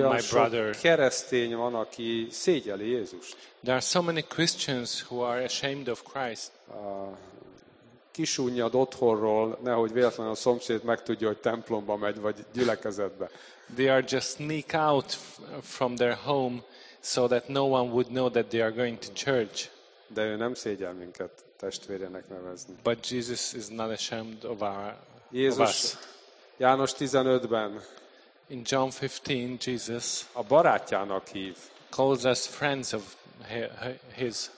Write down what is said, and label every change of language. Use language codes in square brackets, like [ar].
[hu] Olyan sok keresztény van, aki szégyeli Jézust. [en] There are so many Christians who are ashamed of Christ. [hu] Kisúnyad otthonról, nehogy véletlenül a szomszéd megtudja, hogy templomba megy, vagy gyülekezetbe. [en] They are just sneak out from their home so that no one would know that they are going to church. [hu] De ő nem szégyel minket testvérének nevezni. [en] But Jesus is not ashamed of our [hu] Jézus, [en] of us. [hu] János 15-ben [en] in John 15 Jesus [hu] a barátjának hív. [en] Calls us friends of his.